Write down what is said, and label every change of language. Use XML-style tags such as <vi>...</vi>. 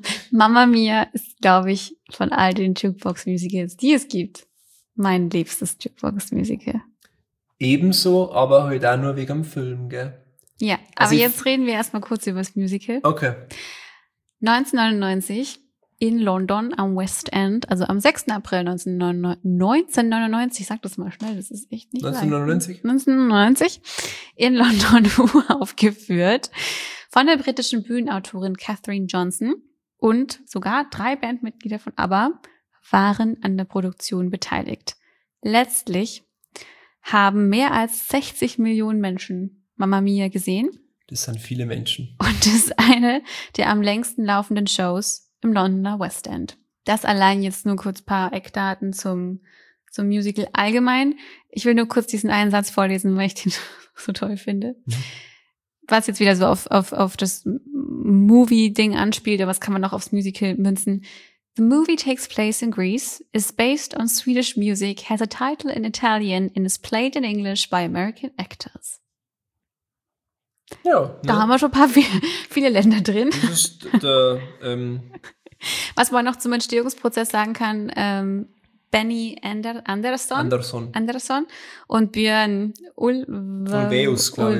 <de>Mama Mia ist, glaube ich, von all den Jukebox Musicals, die es gibt, mein liebstes Jukebox-Musical. Ebenso, aber halt auch nur wegen dem Film, gell? Ja, also aber jetzt reden wir erstmal kurz über das Musical. Okay. 1999 in London am West End, also am 6. April 1999, sag das mal schnell, das ist echt nicht 1999 in London aufgeführt von der britischen Bühnenautorin Katherine Johnson und sogar 3 Bandmitglieder von ABBA waren an der Produktion beteiligt. Letztlich haben mehr als 60 Millionen Menschen Mamma Mia gesehen. Das sind viele Menschen. Und das ist eine der am längsten laufenden Shows im Londoner West End. Das allein jetzt nur kurz ein paar Eckdaten zum Musical allgemein. Ich will nur kurz diesen einen Satz vorlesen, weil ich den so toll finde. was jetzt wieder so auf das Movie-Ding anspielt, aber was kann man noch aufs Musical münzen?</de> <en>The movie takes place in Greece, is based on Swedish music, has a title in Italian and is played in English by American actors.</en> <de>Ja. Ne? Da haben wir schon ein paar viele Länder drin. Das ist der, was man noch zum Entstehungsprozess sagen kann, Benny Andersson und Björn Ulvaeus.</de>